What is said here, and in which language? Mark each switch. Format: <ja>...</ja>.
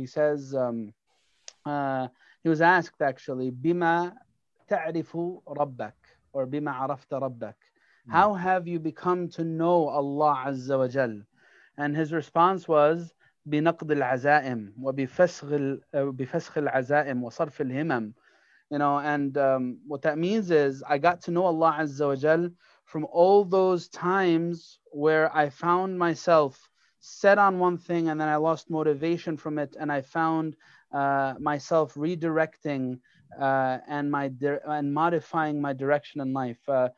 <en>He says, he was asked actually,</en> <ar>bima ta'rifu rabbak, or bima arafta rabbak,</ar> <en>how have you become to know Allah Azza wa Jal? And his response was,</en> <ar>بِنَقْضِ الْعَزَائِمِ وَبِفَسْخِ الْعَزَائِمِ وَصَرْفِ الْهِمَمِ.</ar> <en>What that means is, I got to know Allah Azza wa Jal from all those times where I found myself set on one thing and then I lost motivation from it, and I found myself redirecting and modifying my direction in life.</en>